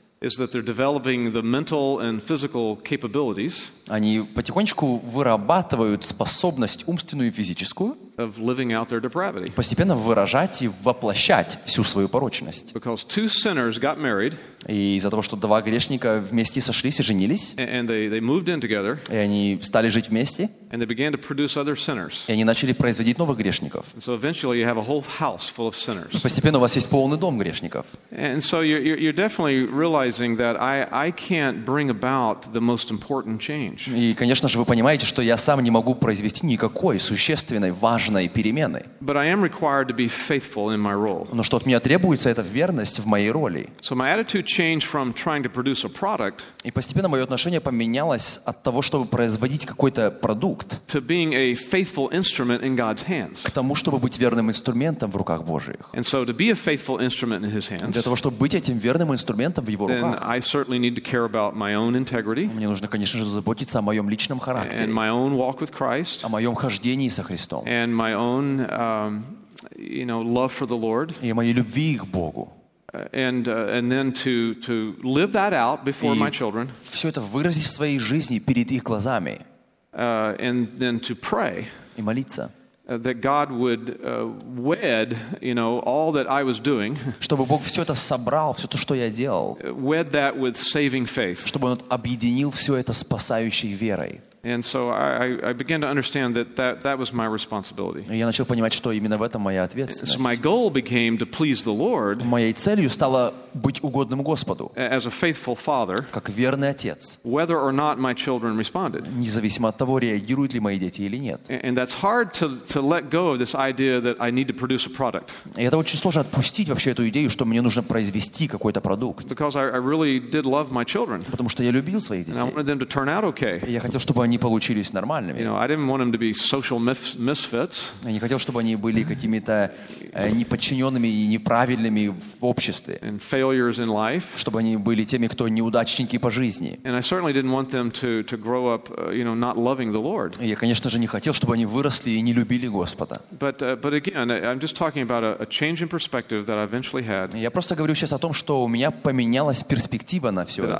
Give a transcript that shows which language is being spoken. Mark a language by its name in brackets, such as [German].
[English] Is that they're developing the mental and physical capabilities? [Russian] Они потихонечку вырабатывают способность умственную и физическую. [English] Of living out their depravity. [Russian] Постепенно выражать и воплощать всю свою порочность. [English] Because two sinners got married. [Russian] И из-за того, что два грешника вместе сошлись и женились. [English] And they moved in together. [Russian] И они стали жить вместе. [English] And they began to produce other sinners. [Russian] И они начали производить новых грешников. [English] And so eventually you have a whole house full of sinners. [Russian] Постепенно у вас есть полный дом грешников. [English] And so you're definitely realizing that I can't bring about the most important change. [Russian] И, конечно же, вы понимаете, что я сам не могу произвести никакой существенной, важной перемены. [English] But I am required to be faithful in my role. [Russian] Но что от меня требуется, это верность в моей роли. [English] So my attitude changed from trying to produce a product. [Russian] И постепенно мое отношение поменялось от того, чтобы производить какой-то продукт. [English] To being a faithful instrument in God's hands. [Russian] К тому, чтобы быть верным инструментом в руках Божьих. [English] And so to be a faithful instrument in His hands. [Russian] Для того, чтобы быть этим верным инструментом в Его руках. [English] Then I certainly need to care about my own integrity. [Russian] Мне нужно, конечно же, заботиться о моем личном характере. [English] And my own walk with Christ. [Russian] О моем хождении со Христом. [English] And my own, love for the Lord. [Russian] И моей любви к Богу. [English] And then to live that out before my children. [Russian] Все это выразить в своей жизни перед их глазами. [English] And then to pray that God would wed, all that I was doing. [Russian] Чтобы Бог все это собрал, все то, что я делал. [English] Wed that with saving faith. [Russian] Чтобы Он объединил все это спасающей верой. [English] And so I began to understand that was my responsibility. [Russian] Я начал понимать, что именно в этом моя ответственность. [English] So my goal became to please the Lord. [Russian] Моей целью стало быть угодным Господу. [English] As a faithful father. [Russian] Как верный отец. [English] Whether or not my children responded. [Russian] Независимо от того, реагируют ли мои дети или нет. [English] And that's hard to let go of this idea that I need to produce a product. [Russian] И это очень сложно отпустить вообще эту идею, что мне нужно произвести какой-то продукт. [English] Because I really did love my children. [Russian] Потому что я любил своих детей. [English] And I wanted them to turn out okay. [Russian] Я хотел, чтобы они получились нормальными. [English] I didn't want them to be social misfits. [Russian] Я не хотел, чтобы они были какими-то неподчиненными и неправильными в обществе. [English] And failures in life. [Russian] Чтобы они были теми, кто неудачники по жизни. [English] And I certainly didn't want them to grow up, not loving the Lord. [Russian] Я, конечно же, не хотел, чтобы они выросли и не любили Господа. [English] But again, I'm just talking about a change in perspective that I eventually had. [Russian] Я просто говорю сейчас о том, что у меня поменялась перспектива на все это.